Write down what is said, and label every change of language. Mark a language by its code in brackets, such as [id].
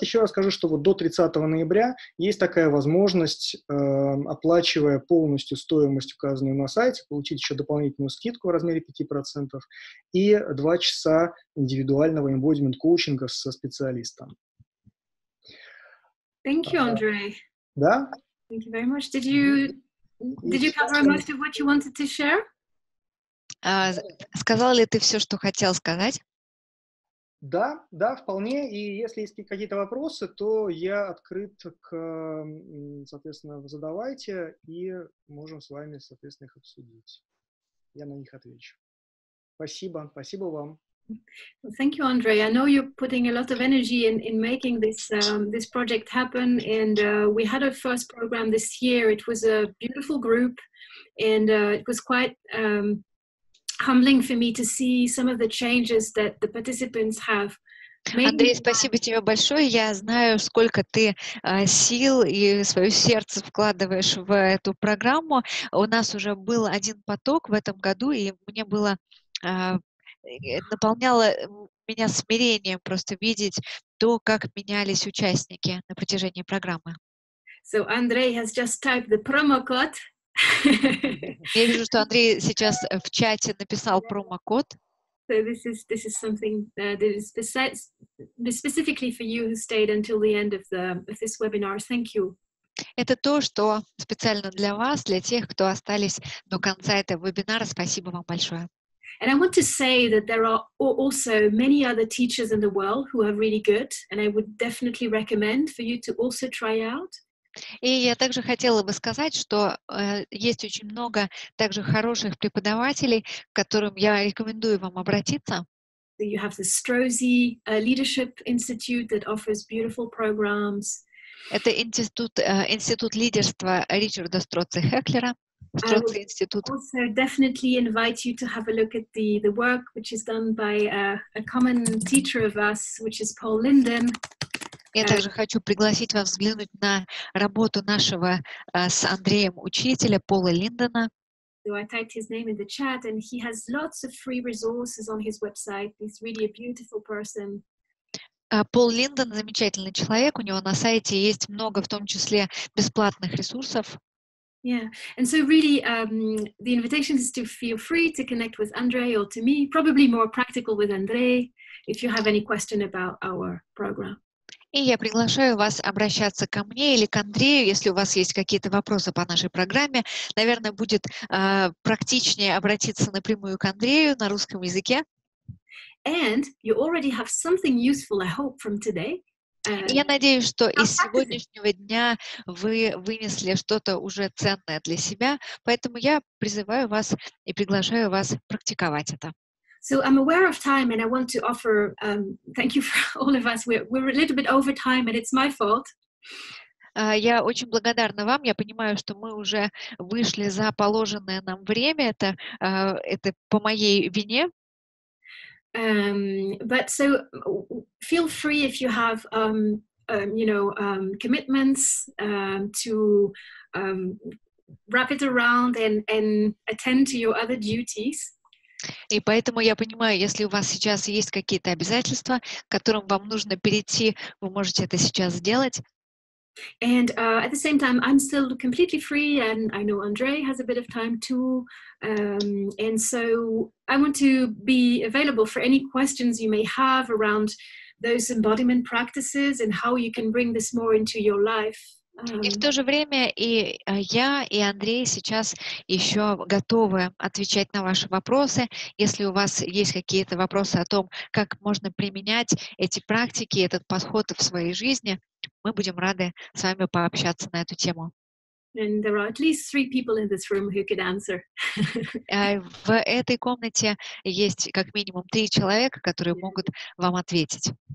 [ru] Еще раз скажу, что вот до 30 ноября есть такая возможность, оплачивая полностью стоимость, указанную на сайте, получить еще дополнительную скидку в размере 5% и 2 часа индивидуального embodiment-коучинга со специалистом. [en] Thank you, Andre. [ru] Да? [en] Thank you very much. Did you cover most of what you wanted to share? [ru] Сказал ли ты все, что хотел сказать? Да, вполне. И если есть какие-то вопросы, то я открыт к, соответственно, задавайте, и можем с вами, соответственно, их обсудить. Я на них отвечу. Спасибо вам. [en] Thank you, Andre. I know you're putting a lot of energy in making this project happen, and we had our first program this year. It was a beautiful group, and it was quite humbling for me to see some of the changes that the participants have. [ru] Андрей, спасибо тебе большое. Я знаю, сколько ты сил и свое сердце вкладываешь в эту программу. У нас уже был один поток в этом году, и мне было наполняло меня смирением просто видеть то, как менялись участники на протяжении программы. [en] So Andrei has just typed the promo code. [ru] Я вижу, что Андрей сейчас в чате написал промокод. [en] So this is something that is specifically for you who stayed until the end of this webinar. Thank you. [ru] Это то, что специально для вас, для тех, кто остались до конца этого вебинара. Спасибо вам большое. [en] And I want to say that there are also many other teachers in the world who are really good, and I would definitely recommend for you to also try out. [ru] И я также хотела бы сказать, что есть очень много также хороших преподавателей, к которым я рекомендую вам обратиться. [en] that you have the Strozzi Leadership Institute that offers beautiful programs. [ru] Это институт, институт лидерства Ричарда Строци Хеклера. Строци институт. [en] I would also definitely invite you to have a look at the work which is done by a common teacher of us, which is Paul Linden. [ru] Я также хочу пригласить вас взглянуть на работу нашего с Андреем учителя Пола Линдена. [en] So I typed his name in the chat, and he has lots of free resources on his website. He's really a beautiful person. [ru] Пол Линден замечательный человек. У него на сайте есть много, в том числе бесплатных ресурсов. [en] Yeah, and so really, the invitation is to feel free to connect with Andre or to me. Probably more practical with Andre, if you have any question about our program. [ru] И я приглашаю вас обращаться ко мне или к Андрею, если у вас есть какие-то вопросы по нашей программе. Наверное, будет практичнее обратиться напрямую к Андрею на русском языке. [en] And you already have something useful, I hope, from today. [ru] Я надеюсь, что из сегодняшнего дня вы вынесли что-то уже ценное для себя, поэтому я призываю вас и приглашаю вас практиковать это. [en] So I'm aware of time, and I want to offer thank you for all of us. We're a little bit over time, and it's my fault. [ru] Я очень благодарна вам. Я понимаю, что мы уже вышли за положенное нам время. Это по моей вине. [en] But so feel free if you have commitments to wrap it around and attend to your other duties. [ru] И поэтому я понимаю, если у вас сейчас есть какие-то обязательства, к которым вам нужно перейти, вы можете это сейчас сделать. [en] And at the same time, I'm still completely free, and I know Andre has a bit of time too. And so I want to be available for any questions you may have around those embodiment practices and how you can bring this more into your life. [ru] И в то же время и я, и Андрей сейчас еще готовы отвечать на ваши вопросы. Если у вас есть какие-то вопросы о том, как можно применять эти практики, этот подход в своей жизни, мы будем рады с вами пообщаться на эту тему. [en] And there are at least three people in this room who could answer. [ru] В этой комнате есть как минимум три человека, которые могут вам ответить.